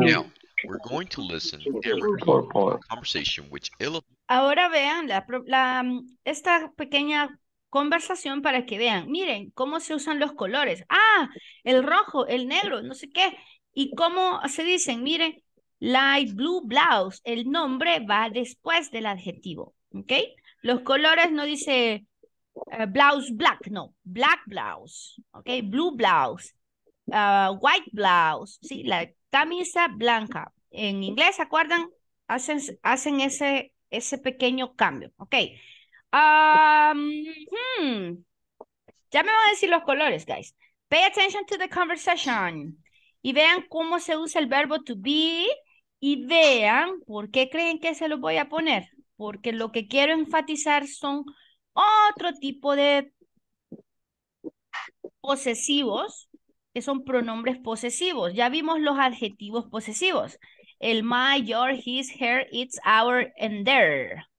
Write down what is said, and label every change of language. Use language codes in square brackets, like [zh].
[en] Now, we're going to listen to a conversation which [es] Ahora vean esta pequeña conversación para que vean. Miren cómo se usan los colores. Ah, el rojo, el negro, no sé qué. Y cómo se dicen, miren, [en] light blue blouse. [es] El nombre va después del adjetivo, ¿ok? Los colores no dice [en] blouse black, [es] no. [en] Black blouse, ¿ok? Blue blouse. White blouse, ¿sí? [es] La camisa blanca. En inglés, ¿se acuerdan? Hacen ese pequeño cambio, ok. Ya me van a decir los colores, guys. [en] Pay attention to the conversation. [es] Y vean cómo se usa el verbo to be. Y vean por qué creen que se los voy a poner. Porque lo que quiero enfatizar son otro tipo de posesivos, que son pronombres posesivos. Ya vimos los adjetivos posesivos. [en] El my, your, his, her, its, our, and their.